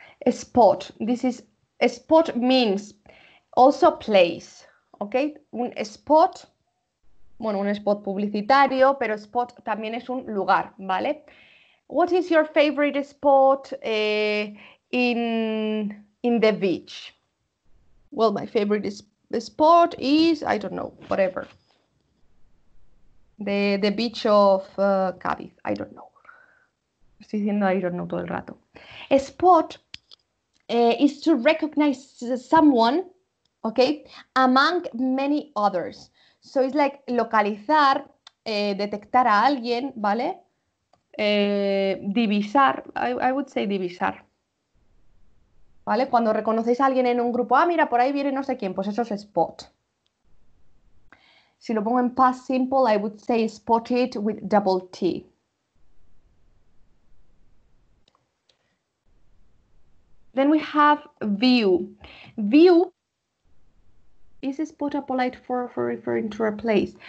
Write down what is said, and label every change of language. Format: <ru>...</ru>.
<en>Spot, this is, spot means also place, ok?</en> <es>Un spot, bueno, un spot publicitario, pero spot también es un lugar, ¿vale?</es> <en>What is your favorite spot in the beach? Well, my favorite spot is, I don't know, whatever. The beach of Cádiz, I don't know.</en> <es>Estoy diciendo</es> <en>I don't know</en> <es>todo el rato.</es> <en>Spot is to recognize someone, okay, among many others. So it's like</en> <es>localizar, detectar a alguien, ¿vale? Divisar,</es> <en>I would say</en> <es>divisar, ¿vale? Cuando reconocéis a alguien en un grupo, ah, mira, por ahí viene no sé quién, pues eso es spot. Si lo pongo en past simple,</es> <en>I would say spot it with double T. Then we have view. View, is spot a polite form for referring to a place?</en>